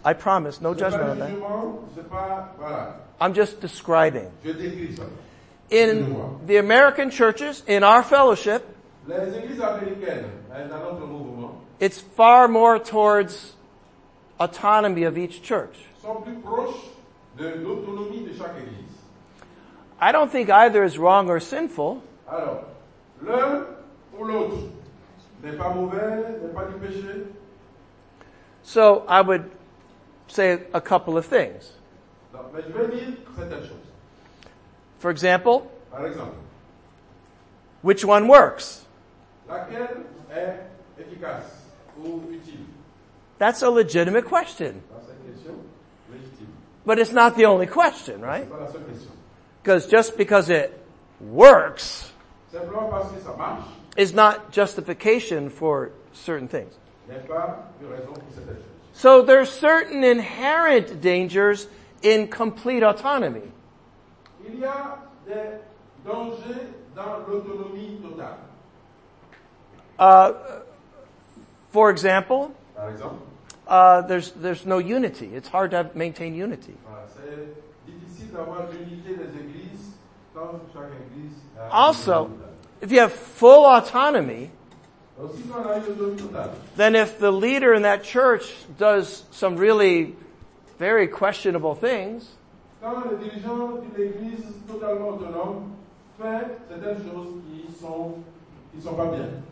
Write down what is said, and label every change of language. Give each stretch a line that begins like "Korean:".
English: I promise, no judgment on that. I'm just describing. In the American churches, in our fellowship,
French: les églises américaines, dans notre mouvement,
English: it's far more towards autonomy of each church.
French: Sont plus proches de l'autonomie de chaque église.
English: I don't think either is wrong or sinful.
French: Alors, l'un ou l'autre n'est pas mauvais, n'est pas du péché.
English: So I would say a couple of things.
French: Non, mais je vais dire certaines choses.
English: For example,
French: par exemple,
English: which one works?
French: Laquelle est efficace ou utile?
English: That's a legitimate question.
French: C'est une question légitime.
English: But it's not the only question, right?
French: C'est pas la seule question.
English: Because just because it works
French: simplement parce que ça marche,
English: is not justification for certain things.
French: N'est pas une raison pour certaines choses.
English: So there are certain inherent dangers in complete autonomy.
French: Il y a des dangers dans l'autonomie totale.
English: For example,
French: par exemple,
English: there's no unity. It's hard to maintain unity.
French: C'est difficile d'avoir l'unité des églises quand chaque église.
English: Also, if you have full autonomy,
French: aussi quand on a une autonomie totale,
English: then if the leader in that church does some really very questionable things,
French: quand le dirigeant de l'église totalement autonome fait certaines choses qui sont pas bien.